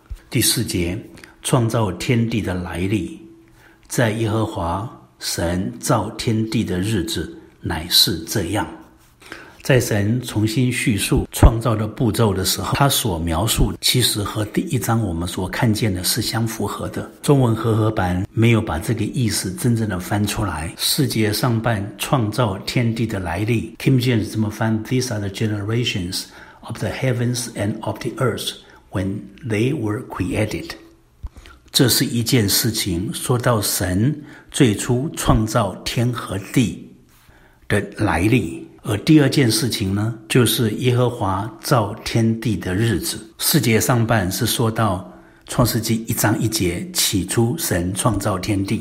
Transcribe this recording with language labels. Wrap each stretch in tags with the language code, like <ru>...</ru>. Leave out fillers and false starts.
<zh>第四节，创造天地的来历，在耶和华神造天地的日子乃是这样。在神重新叙述创造的步骤的时候，他所描述其实和第一章我们所看见的是相符合的。中文和合版没有把这个意思真正的翻出来。世界上半创造天地的来历，</zh> <en>Kim James</en> <zh>这么翻，</zh> <en>These are the generations of the heavens and of the earth when they were created。</en> <zh>这是一件事情，说到神最初创造天和地的来历。而第二件事情呢，就是耶和华造天地的日子。世界上半是说到创世纪一章一节，起初神创造天地。</zh>